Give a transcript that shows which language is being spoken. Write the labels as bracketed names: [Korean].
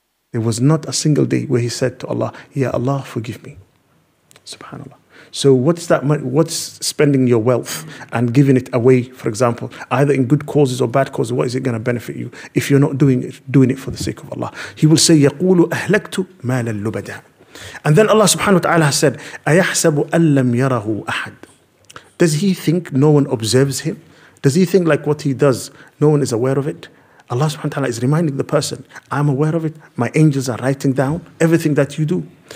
[English] There was not a single day where he said to Allah, Ya Allah, forgive me. Subhanallah. So what's that money? What's spending your wealth and giving it away, for example, either in good causes or bad causes, what is it going to benefit you if you're not doing it for the sake of Allah? He will say, [Arabic] يَقُولُ أَهْلَكْتُ مَالَ اللُّبَدَى. [English] And then Allah subhanahu wa ta'ala said, [Arabic] أَيَحْسَبُ أَن لَّمْ يَرَهُ أَحَدٌ. [English] Does he think no one observes him? Does he think like what he does, no one is aware of it? Allah subhanahu wa ta'ala is reminding the person, I'm aware of it, my angels are writing down everything that you do.